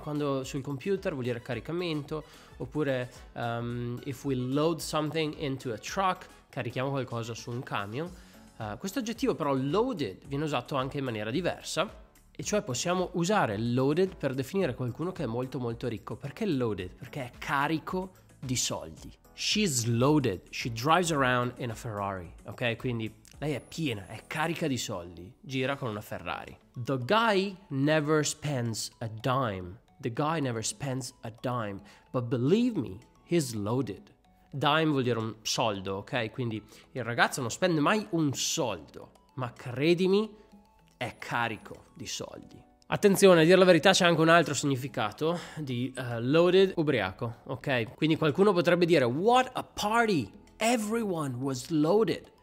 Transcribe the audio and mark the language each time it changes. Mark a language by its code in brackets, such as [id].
[it] Quando sul computer vuol dire caricamento, oppure [en] if we load something into a truck, [it] carichiamo qualcosa su un camion. Questo aggettivo però loaded viene usato anche in maniera diversa, e cioè possiamo usare loaded per definire qualcuno che è molto molto ricco. Perché loaded? Perché è carico di soldi. [en] She's loaded, she drives around in a Ferrari, ok? [it] Quindi lei è piena, è carica di soldi, gira con una Ferrari. [en] The guy never spends a dime, the guy never spends a dime, but believe me, he's loaded. [it] Dime vuol dire un soldo, ok? Quindi il ragazzo non spende mai un soldo, ma credimi, è carico di soldi. Attenzione, a dire la verità c'è anche un altro significato di loaded, ubriaco, ok? Quindi qualcuno potrebbe dire, [en] what a party, everyone was loaded.